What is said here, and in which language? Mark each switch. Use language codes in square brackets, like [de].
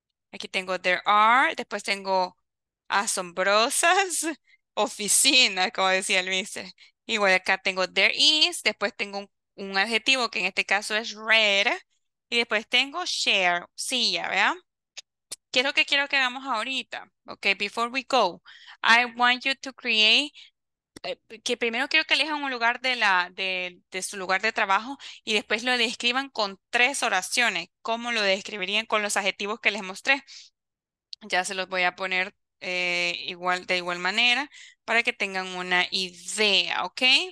[es] Aquí tengo [en] there are, [es] después tengo asombrosas, oficina, como decía Luis. Igual acá tengo [en] there is, [es] después tengo un adjetivo que en este caso es red, y después tengo share, silla, vea. ¿Qué es lo que quiero que hagamos ahorita? [en] Ok, before we go, I want you to create. [es] Que primero quiero que elijan un lugar de su lugar de trabajo y después lo describan con tres oraciones. ¿Cómo lo describirían con los adjetivos que les mostré? Ya se los voy a poner igual, de igual manera para que tengan una idea, ¿ok?